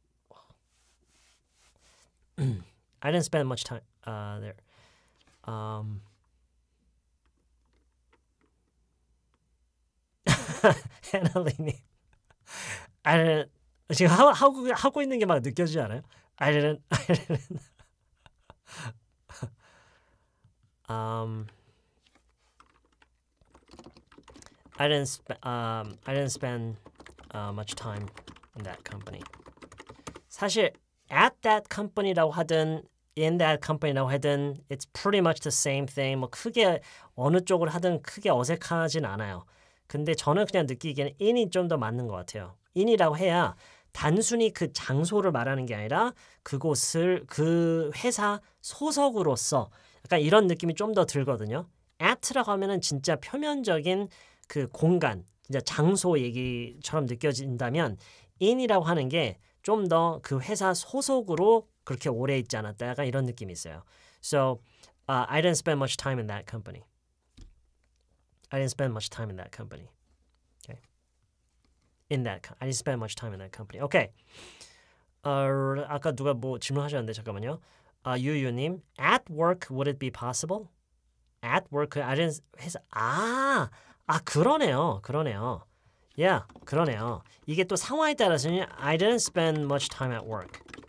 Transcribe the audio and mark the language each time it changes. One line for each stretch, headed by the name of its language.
English: 어. I didn't spend much time there. Hanalini, I didn't.
Korean: 지금 하고 있는 게 막 느껴지지 않아요?
English: I didn't spend much time in that company.
Korean: 사실
English: at that company
Korean: 라고 하든
English: in that company라고 하든 it's pretty much the same thing.
Korean: 뭐 크게 어느 쪽을 하든 크게 어색하진 않아요. 근데 저는 그냥 느끼기에는 in이 좀 더 맞는 것 같아요. in이라고 해야 단순히 그 장소를 말하는 게 아니라 그곳을 그 회사 소속으로서 약간 이런 느낌이 좀 더 들거든요. at라고 하면은 진짜 표면적인 그 공간, 진짜 장소 얘기처럼 느껴진다면 in이라고 하는 게 좀 더 그 회사 소속으로 그렇게 오래 있지 않았다 약간 이런 느낌이 있어요.
English: So, I didn't spend much time in that company. I didn't spend much time in that company. Okay. I didn't spend much time in that company. Okay.
Korean: 아까 누가 뭐 질문하셨는데 잠깐만요.
English: 유유님, at work would it be possible? At work, I didn't.
Korean: 회사, 그러네요. Yeah, 그러네요. 이게 또 상황에 따라서는
English: I didn't spend much time at work.